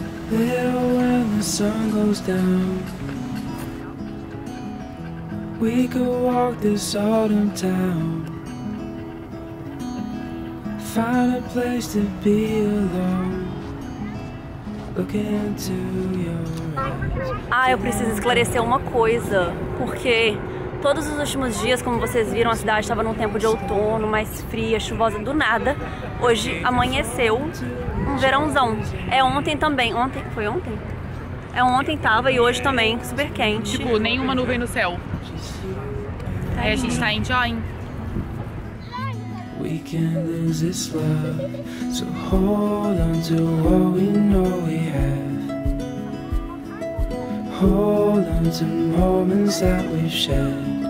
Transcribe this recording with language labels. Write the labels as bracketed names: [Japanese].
[English] There when the sun goes down, we could walk this autumn town, find a place to be alone, look into your eyes. [Portuguese] Ah, eu preciso esclarecer uma coisa, porque todos os últimos dias, como vocês viram, a cidade estava num tempo de outono, mais fria, chuvosa, do nada. Hoje amanheceu um verãozão. É ontem também. Ontem? Foi ontem? É ontem tava e hoje também, super quente. Tipo, nenhuma nuvem no céu. Tá aí. A gente tá enjoying. [English] We can lose this love, so hold on to what we know we have. Hold on to moments that we've shared.